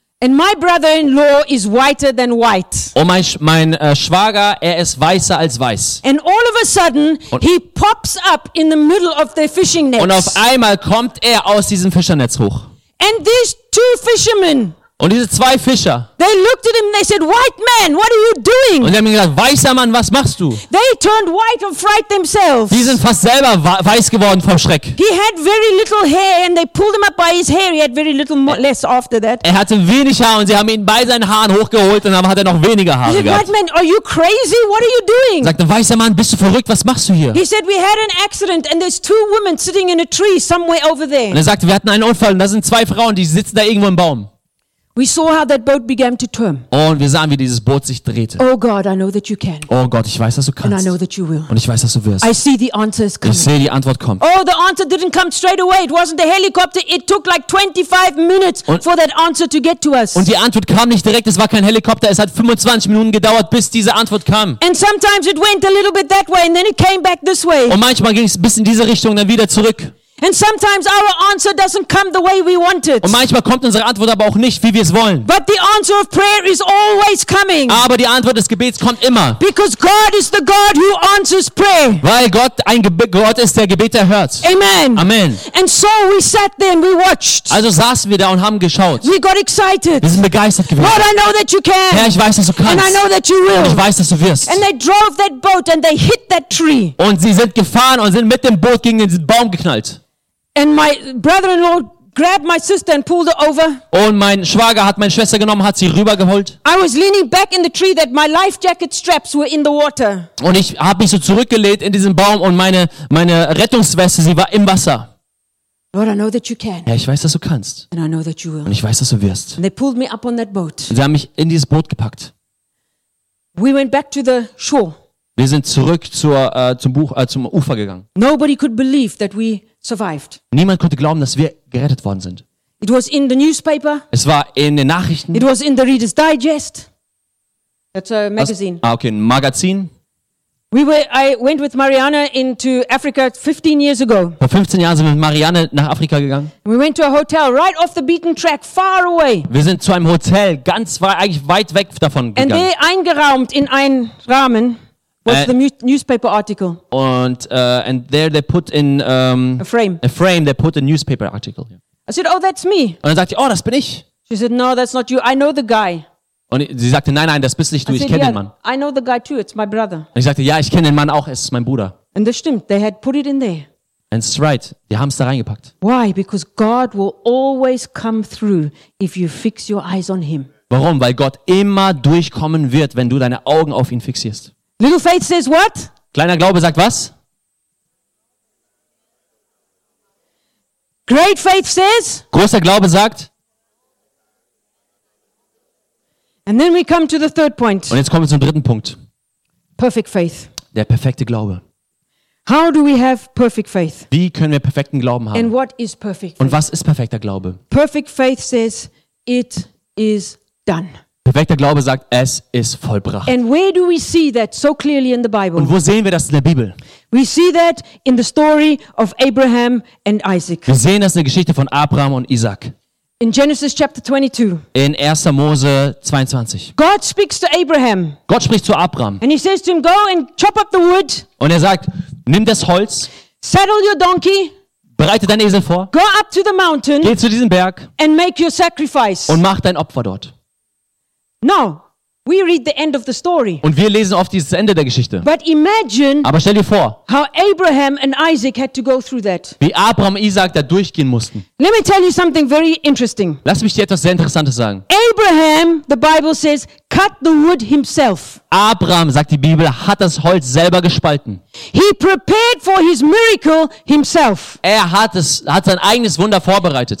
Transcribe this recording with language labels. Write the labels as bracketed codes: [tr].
[en] And my brother-in-law is whiter than white. [de] Und mein Schwager, er ist weißer als weiß. [en] And all of a sudden he pops up in the middle of the fishing nets. [de] Und auf einmal kommt er aus diesem Fischernetz hoch. [en] And these two fishermen. [de] Und diese zwei Fischer. [en] They looked at him and they said, "White man, what are you doing?" [de] Und sie haben gesagt, weißer Mann, was machst du? [en] They turned white of fright themselves. [de] Die sind fast selber weiß geworden vom Schreck. [en] He had very little hair and they pulled him up by his hair. He had very little less after that. [de] Er hatte wenig Haar und sie haben ihn bei seinen Haaren hochgeholt und dann hat er noch weniger Haare gehabt. [en] White man, are you crazy? What are you doing? [de] Sagte, weißer Mann, bist du verrückt? Was machst du hier? [en] He said, "We had an accident and there's two women sitting in a tree somewhere over there." [de] Und er sagte, wir hatten einen Unfall und da sind zwei Frauen, die sitzen da irgendwo im Baum. [en] We saw how that boat began to turn. [de] Und wir sahen, wie dieses Boot sich drehte. [en] Oh God, I know that you can. [de] Oh Gott, ich weiß, dass du kannst. [en] And I know that you will. [de] Und ich weiß, dass du wirst. [en] I see the answer is coming. [de] Ich sehe, die Antwort kommt. [en] Oh, the answer didn't come straight away. It wasn't a helicopter. It took like 25 minutes for that answer to get to us. [de] Und die Antwort kam nicht direkt. Es war kein Helikopter. Es hat 25 Minuten gedauert, bis diese Antwort kam. [en] And sometimes it went a little bit that way and then it came back this way. [de] Und manchmal ging es bis in diese Richtung dann wieder zurück. [en] And sometimes our answer doesn't come the way we want it. [de] Und manchmal kommt unsere Antwort aber auch nicht, wie wir es wollen. [en] But the answer of prayer is always coming. [de] Aber die Antwort des Gebets kommt immer. [en] Because God is the God who answers prayer. [de] Weil Gott ein Gott ist, der Gebete hört. Amen. Amen. [en] And so we sat there and we watched. [de] Also saßen wir da und haben geschaut. [en] We got excited. [de] Wir sind begeistert gewesen. [en] Lord, I know that you can. [de] Herr, ich weiß, dass du kannst. [en] And I know that you will. [de] Und ich weiß, dass du wirst. [en] And they drove that boat and they hit that tree. [de] Und sie sind gefahren und sind mit dem Boot gegen den Baum geknallt. [en] And my brother-in-law grabbed my sister and pulled her over. [de] Und mein Schwager hat meine Schwester genommen, hat sie rübergeholt. [en] I was leaning back in the tree that my life jacket straps were in the water. [de] Und ich habe mich so zurückgelehnt in diesen Baum und meine Rettungsweste, sie war im Wasser. [en] Lord, I know that you can. [de] Ja, ich weiß, dass du kannst. [en] And I know that you will. [de] Und ich weiß, dass du wirst. [en] And they pulled me up on that boat. [de] Und sie haben mich in dieses Boot gepackt. [en] We went back to the shore. [de] Wir sind zurück zum Ufer gegangen. [en] Nobody could believe that we survived. [de] Niemand konnte glauben, dass wir gerettet worden sind. [en] It was in the newspaper. [de] Es war in den Nachrichten. [en] It was in the Reader's Digest. That's a magazine. [de] Ah, okay, ein Magazin. [en] I went with Mariana into Africa 15 years ago. [de] Vor 15 Jahren sind wir mit Mariana nach Afrika gegangen. [en] We went to a hotel right off the beaten track, far away. [de] Wir sind zu einem Hotel ganz weit weg davon gegangen. [en] And they [de] eingeraumt in einen Rahmen. [en] What's the newspaper article? And there they put in a frame. They put a newspaper article. I said, oh, that's me. [de] Und dann sagte sie, oh, das bin ich. [en] She said, no, that's not you. I know the guy. [de] Und sie sagte, nein, das bist nicht du. [en] Said, [de] ich kenne [en] yeah, [de] den Mann. [en] I know the guy too. It's my brother. [de] Und ich sagte, ja, ich kenne den Mann auch. Es ist mein Bruder. [en] And [de] das stimmt. [en] They had put it in there. And it's right. [de] Die haben es da reingepackt. [en] Why? Because God will always come through if you fix your eyes on Him. [de] Warum? Weil Gott immer durchkommen wird, wenn du deine Augen auf ihn fixierst. [en] Little faith says what? [de] Kleiner Glaube sagt was? [en] Great faith says? [de] Großer Glaube sagt? [en] And then we come to the third point. [de] Und jetzt kommen wir zum dritten Punkt. [en] Perfect faith. [de] Der perfekte Glaube. [en] How do we have perfect faith? [de] Wie können wir perfekten Glauben haben? [en] And what is perfect [de] faith? Und was ist perfekter Glaube? [en] Perfect faith says it is done. [de] Perfekter Glaube sagt, es ist vollbracht. [en] And where do we see that so clearly in the Bible? [de] Und wo sehen wir das in der Bibel? [en] We see that in the story of Abraham and Isaac. [de] Wir sehen das in der Geschichte von Abraham und Isaac. [en] In Genesis chapter 22. [de] In 1. Mose 22. [en] God speaks to Abraham. [de] Gott spricht zu Abraham. [en] And he says to him, go and chop up the wood. [de] Und er sagt, nimm das Holz. [en] Saddle your donkey. [de] Bereite deinen Esel vor. [en] Go up to the mountain. [de] Geh zu diesem Berg. [en] And make your sacrifice. [de] Und mach dein Opfer dort. [en] No, we read the end of the story. [de] Und wir lesen oft dieses Ende der Geschichte. [en] But imagine. [de] Aber stell dir vor. [en] How Abraham and Isaac had to go through that. [de] Wie Abraham und Isaac da durchgehen mussten. [en] Let me tell you something very interesting. [de] Lass mich dir etwas sehr Interessantes sagen. [en] Abraham, the Bible says, cut the wood himself. [de] Abraham, sagt die Bibel, hat das Holz selber gespalten. [en] He prepared for his miracle himself. [de] Er hat sein eigenes Wunder vorbereitet.